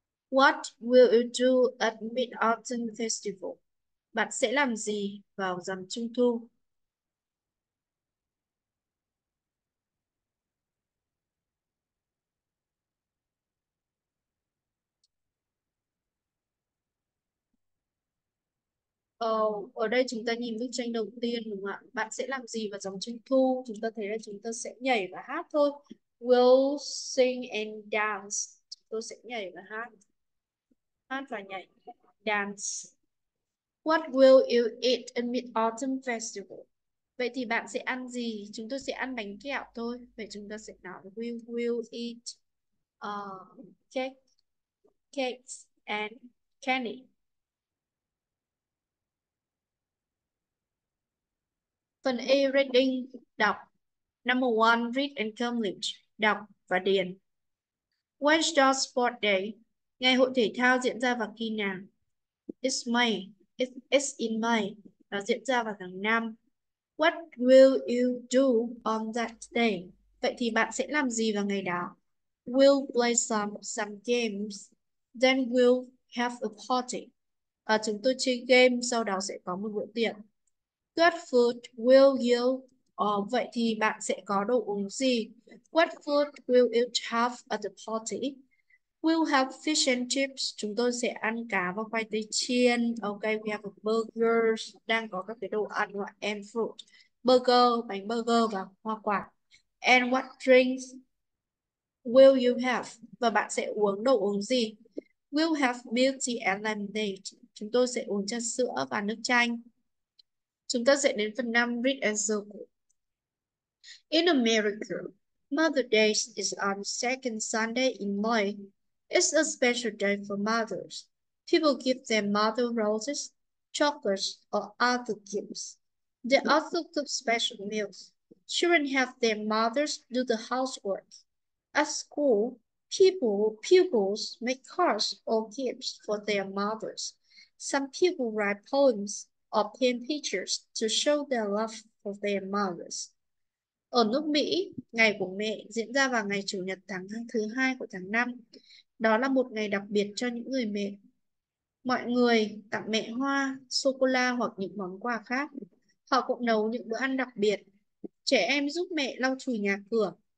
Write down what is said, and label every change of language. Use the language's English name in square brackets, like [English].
[English] What will you do at Mid-Autumn Festival? [Vietnamese] Bạn sẽ làm gì vào rằm Trung Thu? Ở đây chúng ta nhìn bức tranh đầu tiên đúng không ạ? Bạn sẽ làm gì vào dòng Trung Thu? Chúng ta thấy là chúng ta sẽ nhảy và hát thôi. [English] We'll sing and dance. [Vietnamese] Tôi sẽ nhảy và hát. Hát và nhảy. Dance. [English] What will you eat at Mid-Autumn Festival? [Vietnamese] Vậy thì bạn sẽ ăn gì? Chúng tôi sẽ ăn bánh kẹo thôi. Vậy chúng ta sẽ nói [English] we will eat cakes and candy. [Vietnamese] Phần A, [English] reading, đọc. Number one, read and complete. [Vietnamese] Đọc và điền. [English] When's your sport day? [Vietnamese] Ngày hội thể thao diễn ra vào khi nào? [English] It's May. It's in May. [Vietnamese] Nó diễn ra vào tháng 5. [English] What will you do on that day? [Vietnamese] Vậy thì bạn sẽ làm gì vào ngày đó? [English] We'll play some games. Then we'll have a party. [Vietnamese] Chúng tôi chơi game, sau đó sẽ có một bữa tiệc. [English] What food will you? [Vietnamese] Vậy thì bạn sẽ có đồ uống gì? [English] What food will you have at the party? We'll have fish and chips. [Vietnamese] Chúng tôi sẽ ăn cá và khoai tây chiên. [English] Okay, we have a burgers. [Vietnamese] Đang có các cái đồ ăn loại and fruit. Burger, bánh burger và hoa quả. [English] And what drinks will you have? [Vietnamese] Và bạn sẽ uống đồ uống gì? [English] We'll have milk tea and lemonade. [Vietnamese] Chúng tôi sẽ uống trà sữa và nước chanh. Chúng ta sẽ đến phần 5, [English] read and circle. In America, Mother's Day is on second Sunday in May. It's a special day for mothers. People give their mother roses, chocolates, or other gifts. They also cook special meals. Children have their mothers do the housework. At school, pupils make cards or gifts for their mothers. Some people write poems or paint pictures to show their love for their mothers. [Vietnamese] Ở nước Mỹ, ngày của mẹ diễn ra vào ngày Chủ nhật tháng thứ hai của tháng 5. Đó là một ngày đặc biệt cho những người mẹ. Mọi người tặng mẹ hoa, sô-cô-la hoặc những món quà khác. Họ cũng nấu những bữa ăn đặc biệt. Trẻ em giúp mẹ lau chùi nhà cửa.